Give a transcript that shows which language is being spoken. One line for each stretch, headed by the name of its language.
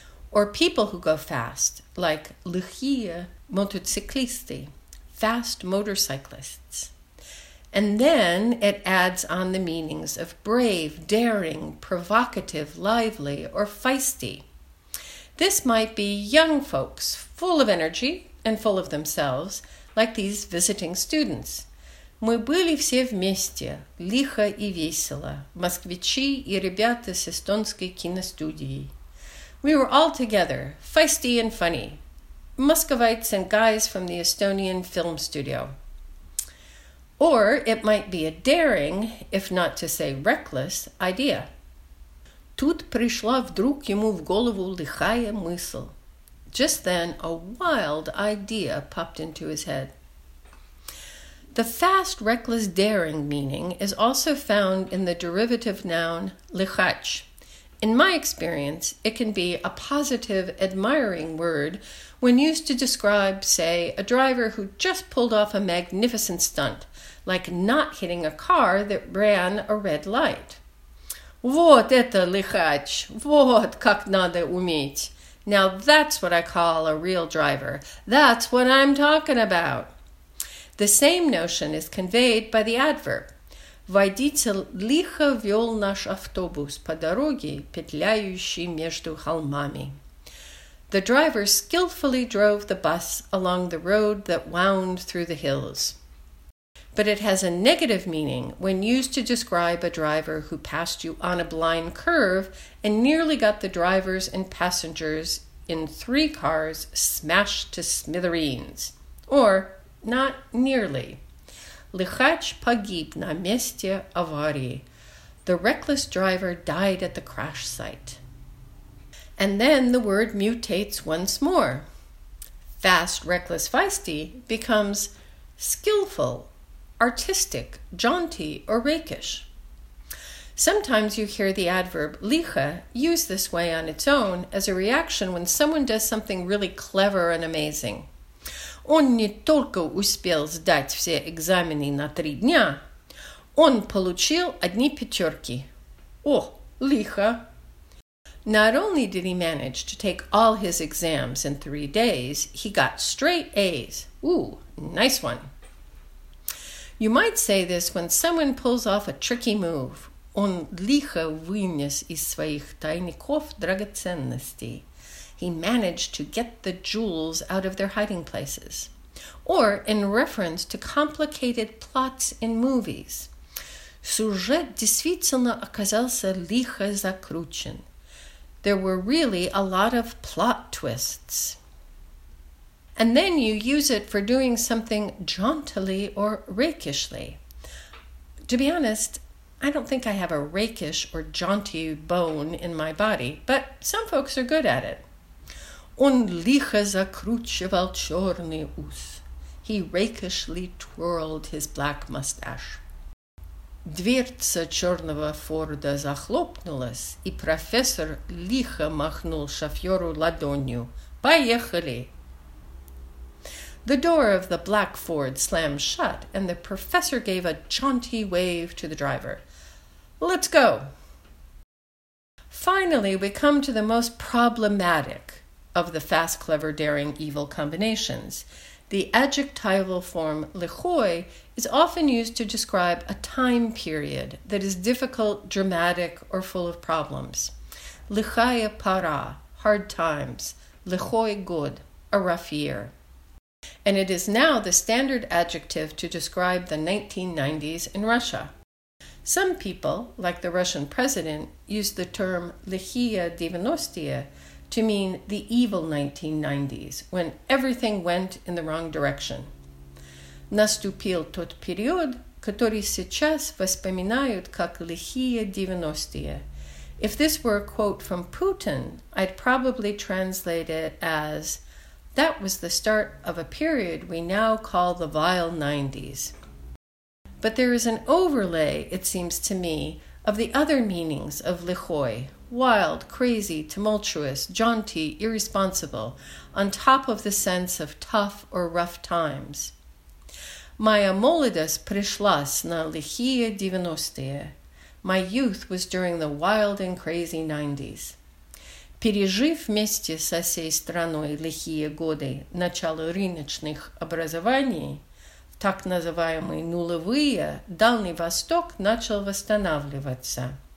English: Or people who go fast, like lichia motociclisti, fast motorcyclists. And then it adds on the meanings of brave, daring, provocative, lively, or feisty. This might be young folks, full of energy and full of themselves, like these visiting students.
Russian: Мы были все вместе, лихо и весело, москвичи и ребята с эстонской киностудии.
English: We were all together, feisty and funny. Muscovites and guys from the Estonian film studio. Or it might be a daring, if not to say reckless, idea.
Russian: Тут пришла вдруг ему в голову лихая мысль.
English: Just then, a wild idea popped into his head. The fast, reckless, daring meaning is also found in the derivative noun lichach. In my experience, it can be a positive, admiring word when used to describe, say, a driver who just pulled off a magnificent stunt, like not hitting a car that ran a red light.
Russian: Вот это лихач. Вот как надо уметь.
English: Now that's what I call a real driver. That's what I'm talking about. The same notion is conveyed by the adverb.
Russian: Водитель лихо вел наш автобус по дороге, петляющей между холмами.
English: The driver skillfully drove the bus along the road that wound through the hills. But it has a negative meaning when used to describe a driver who passed you on a blind curve and nearly got the drivers and passengers in three cars smashed to smithereens. Or, not nearly.
Russian: Лихач погиб на месте аварии.
English: The reckless driver died at the crash site. And then the word mutates once more. Fast, reckless, feisty becomes skillful, artistic, jaunty, or rakish. Sometimes you hear the adverb лихо used this way on its own as a reaction when someone does something really clever and amazing.
Russian: Он не только успел сдать все экзамены на 3 дня, он получил одни пятерки. О, лихо!
English: Not only did he manage to take all his exams in 3 days, he got straight A's. Ooh, nice one. You might say this when someone pulls off a tricky move.
Russian: Он лихо вынес из своих тайников драгоценности.
English: He managed to get the jewels out of their hiding places. Or in reference to complicated plots in movies.
Russian: Сюжет действительно оказался лихо закручен.
English: There were really a lot of plot twists. And then you use it for doing something jauntily or rakishly. To be honest, I don't think I have a rakish or jaunty bone in my body, but some folks are good at it.
Russian: Он лихо закручивал черный ус.
English: He rakishly twirled his black mustache.
Russian: Дверца черного форда захлопнулась, и профессор лихо махнул шоферу ладонью. Поехали!
English: The door of the black Ford slammed shut, and the professor gave a jaunty wave to the driver. Let's go! Finally, we come to the most problematic of the fast, clever, daring, evil combinations. The adjectival form lichoi is often used to describe a time period that is difficult, dramatic, or full of problems.
Russian: Лихая пора,
English: hard times.
Russian: Лихой год,
English: a rough year. And it is now the standard adjective to describe the 1990s in Russia. Some people, like the Russian president, use the term лихие 90s to mean the evil 1990s, when everything went in the wrong direction.
Russian: Наступил тот период, который сейчас воспоминают как лихие 90s.
English: If this were a quote from Putin, I'd probably translate it as, that was the start of a period we now call the vile 90s. But there is an overlay, it seems to me, of the other meanings of лихой, wild, crazy, tumultuous, jaunty, irresponsible, on top of the sense of tough or rough times.
Russian: Моя молодость пришлась на лихие 90s.
English: My youth was during the wild and crazy 90s.
Russian: Пережив вместе со всей страной лихие годы начало рыночных образований, так называемые нулевые, Дальний Восток начал восстанавливаться.